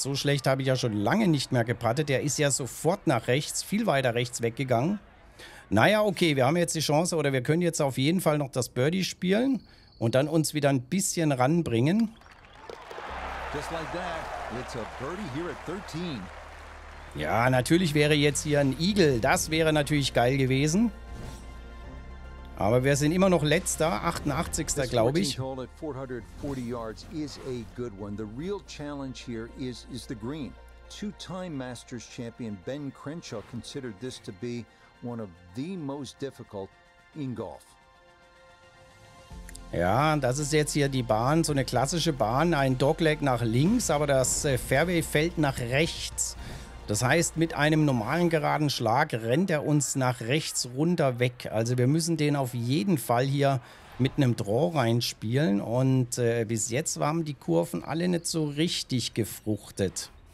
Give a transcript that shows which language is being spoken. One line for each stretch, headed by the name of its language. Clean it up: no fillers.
German: So schlecht habe ich ja schon lange nicht mehr geputtet. Der ist ja sofort nach rechts, viel weiter rechts weggegangen. Naja, okay, wir haben jetzt die Chance oder wir können jetzt auf jeden Fall noch das Birdie spielen und dann uns wieder ein bisschen ranbringen.
English: Just like that, it's a birdie here at 13.
German: Ja, natürlich wäre jetzt hier ein Eagle. Das wäre natürlich geil gewesen. Aber wir sind immer noch letzter, 88. glaube ich.
English: This 14-hole at 440 yards is a good one. The real challenge here is the green. Two-time Masters Champion Ben Crenshaw considered this to be one of the most difficult in golf.
German: Ja, das ist jetzt hier die Bahn, so eine klassische Bahn, ein Dogleg nach links, aber das Fairway fällt nach rechts. Das heißt, mit einem normalen geraden Schlag rennt er uns nach rechts runter weg. Also wir müssen den auf jeden Fall hier mit einem Draw reinspielen und bis jetzt haben die Kurven alle nicht so richtig gefruchtet.